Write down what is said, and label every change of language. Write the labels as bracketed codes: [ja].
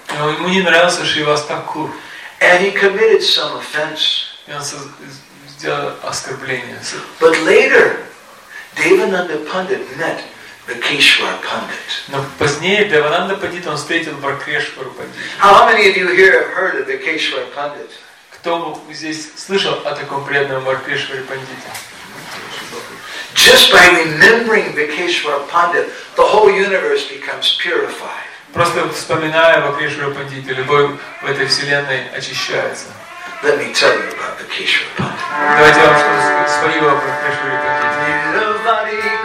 [ru] Но ему не нравился Shrivas Thakur. [en] And he committed some offense. [ru] И он сделал оскорбление. [en] But later, Devananda Pandit met Vakeshwar Pandit. [ru] Но позднее Девананда Пандит он встретил Варкешвару Пандит. [en] How many of you here have heard of Vakeshwar Pandit? [ru] Кто здесь слышал о таком преданном Варкешваре Пандите? [en] Just by remembering Vakeshwar Pandit, the whole universe becomes purified. [ru] Просто вспоминая Варкешвару Пандита, любовь в этой вселенной очищается. [en] Let me tell you about Vakeshwar Pandit. [ru] Давайте я вам скажу свою о Варкешваре Пандите.